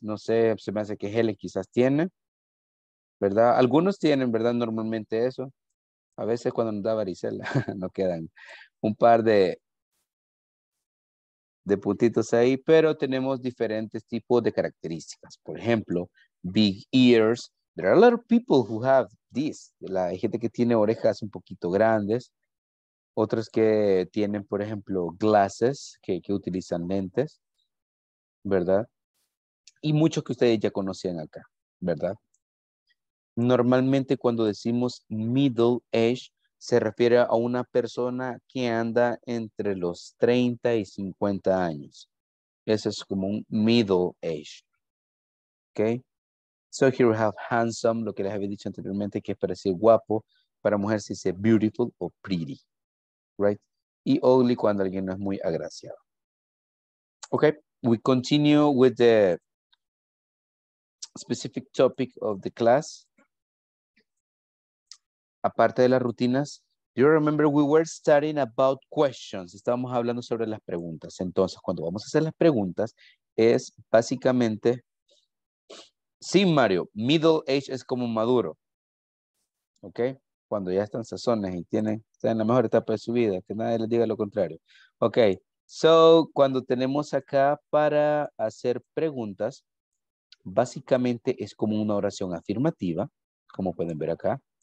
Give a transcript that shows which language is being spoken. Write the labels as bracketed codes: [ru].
[es] No sé, se me hace que Helen quizás tiene. ¿Verdad? Algunos tienen, ¿verdad? Normalmente eso. A veces cuando nos da varicela, nos quedan un par de puntitos ahí, pero tenemos diferentes tipos de características. Por ejemplo, [en] big ears. There are a lot of people who have this. [es] Hay gente que tiene orejas un poquito grandes. Otros que tienen, por ejemplo, glasses, que utilizan lentes, ¿verdad? Y muchos que ustedes ya conocían acá, ¿verdad? Normalmente cuando decimos middle age, se refiere a una persona que anda entre los 30 y 50 años. Eso es como un middle age. ¿Ok? [en] So here we have handsome, [es] lo que les había dicho anteriormente, que es para decir guapo. Para mujer se dice beautiful o pretty, right? Y ugly cuando alguien no es muy agraciado. [en] Okay, we continue with the specific topic of the class. [es] Aparte de las rutinas, [en] do you remember we were studying about questions? [es] Estábamos hablando sobre las preguntas. Entonces, cuando vamos a hacer las preguntas, es básicamente... Sí, Mario, middle age es como maduro. ¿Ok? Cuando ya están sazones y tienen, están en la mejor etapa de su vida, que nadie les diga lo contrario. Ok, so cuando tenemos acá para hacer preguntas, básicamente es como una oración afirmativa, como pueden ver acá.